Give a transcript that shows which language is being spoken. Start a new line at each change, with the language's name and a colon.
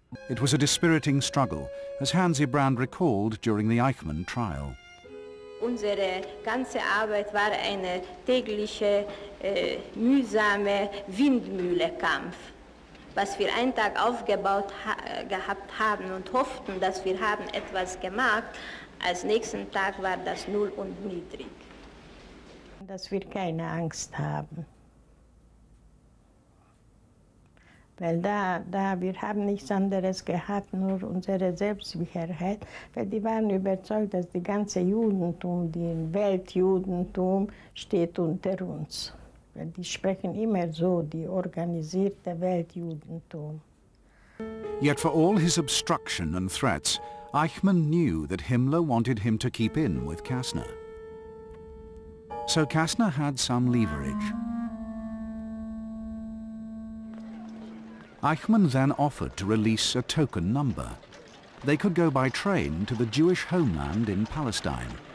English: It was a dispiriting struggle, as Hansi Brand recalled during the Eichmann trial.
German: Unsere ganze Arbeit war eine tägliche, mühsame Windmühlekampf. Was wir einen Tag aufgebaut gehabt haben und hofften, dass wir haben etwas gemacht, als nächsten Tag war das null und niedrig. Dass wir keine Angst haben. Weil da wir haben nichts anderes gehabt, nur unsere Selbstsicherheit. Weil die waren überzeugt, dass die ganze Judentum, die Weltjudentum, steht unter uns. Weil die sprechen immer so, die organisierte Weltjudentum.
English: Yet for all his obstruction and threats, Eichmann knew that Himmler wanted him to keep in with Kasztner. So Kasztner had some leverage. Eichmann then offered to release a token number. They could go by train to the Jewish homeland in Palestine.